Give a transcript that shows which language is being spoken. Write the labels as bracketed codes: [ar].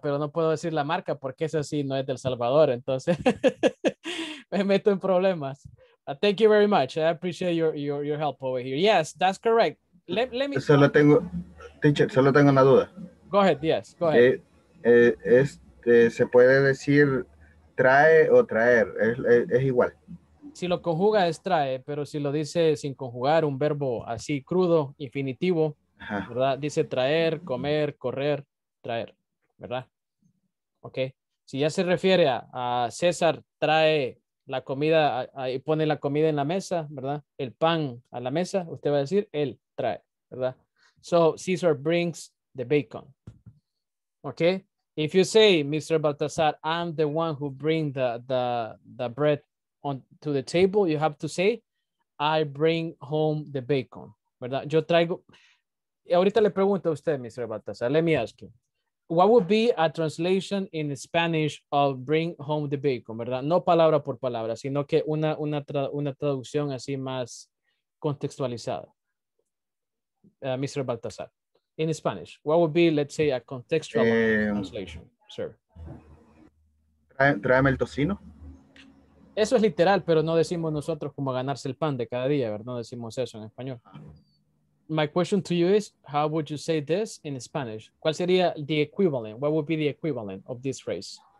[es] Pero no puedo decir la marca porque es así, no es del Salvador, entonces me meto en problemas. [en] Thank you very much. I appreciate your help over here. Yes, that's correct. Let me [es] solo tengo, teacher, solo tengo una duda. [en] Go ahead, yes, go ahead. [es] Se puede decir trae o traer, es igual. Si lo conjuga es trae, pero si lo dice sin conjugar, un verbo así crudo, infinitivo, ajá, ¿verdad? Dice traer, comer, correr, traer, ¿verdad? Ok, si ya se refiere a César, trae la comida, ahí pone la comida en la mesa, ¿verdad? El pan a la mesa, usted va a decir, él trae, ¿verdad? [en] So, César brings the bacon. Okay, if you say, Mr. Baltazar, I'm the one who bring the bread on to the table, you have to say, I bring home the bacon, ¿verdad? [es] Yo traigo, y ahorita le pregunto a usted, [en] Mr. Baltazar, let me ask you, what would be a translation in Spanish of bring home the bacon, ¿verdad? [es] No palabra por palabra, sino que una traducción así más contextualizada, Mr. Baltazar. [en] In Spanish, what would be, let's say, a contextual translation, sir? [es] Tráeme el tocino. Eso es literal, pero no decimos nosotros como ganarse el pan de cada día, ¿verdad? No decimos eso en español. [en] My question to you is, how would you say this in Spanish? [es] ¿Cuál sería [en] the equivalent? What would be the equivalent of this phrase?